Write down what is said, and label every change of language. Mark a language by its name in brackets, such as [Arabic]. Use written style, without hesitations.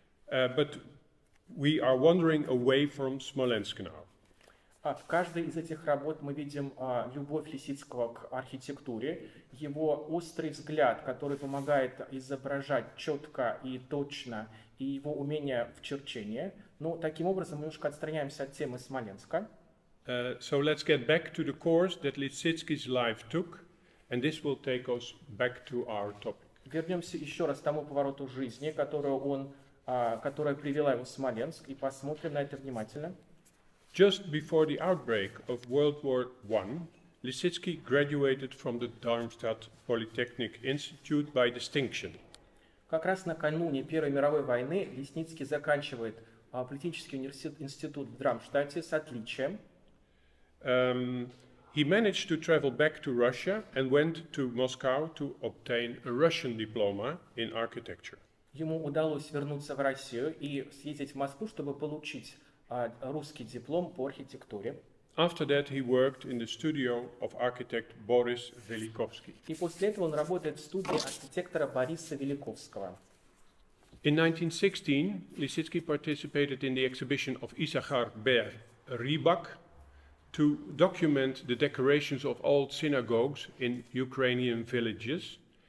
[English] But we are wandering away from Smolensk now. [Russian] В каждой из этих работ мы видим любовь Лисицкого к архитектуре, его острый взгляд, который помогает изображать четко и точно, и его умение в черчении. Но таким образом мы немножко отстраняемся от темы Смоленска. [English] So let's get back to the course that Lisicki's life took, and this will take us back to our topic. [Russian] Вернемся еще раз к тому повороту жизни, который он которая привела его в Смоленск, и посмотрим на это внимательно. [English] Just before the outbreak of World War I, Лисицкий graduated from the Darmstadt Polytechnic Institute by distinction. [Russian] Как раз накануне Первой мировой войны Лисицкий заканчивает политический институт в Дармштадте с отличием. [English] He managed to travel back to Russia and went to Moscow to obtain a Russian diploma in architecture. [Russian] Ему удалось вернуться в Россию и съездить в Москву, чтобы получить русский диплом по архитектуре. [English] After that he worked in the studio of architect Boris Velikovsky. [Russian] И после этого он работает в студии архитектора Бориса Великовского. [English] In 1916 Лисицкий participated in the exhibition of Isachar Ber Rybak to document the decorations of old synagogues in Ukrainian villages